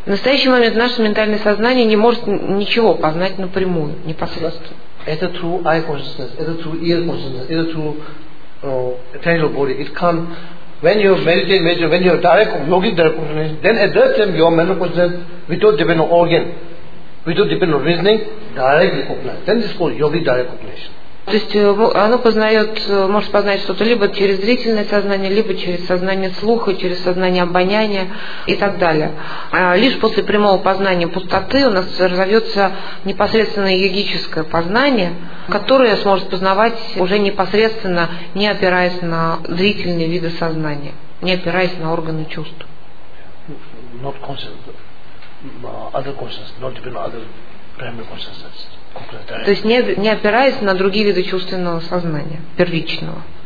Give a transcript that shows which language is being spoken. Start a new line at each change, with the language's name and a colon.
Russian: В настоящий момент наше ментальное сознание не может ничего познать напрямую, непосредственно.
English: Это true eye consciousness, это true ear consciousness, это true tangible body. It can't. When you meditate, when you direct yogic direct consciousness, then at that time your mental consciousness, without depend on organ, without depend on reasoning, directly recognize. Then this is called yogic direct cognition.
Russian: То есть оно познает, может познать что-то либо через зрительное сознание, либо через сознание слуха, через сознание обоняния и так далее. Лишь после прямого познания пустоты у нас разовьется непосредственное йогическое познание, которое сможет познавать уже непосредственно, не опираясь на зрительные виды сознания, не опираясь на органы чувств.
English: Not conscious, not even other primary consciousness.
Russian: То есть не опираясь на другие виды чувственного сознания, первичного.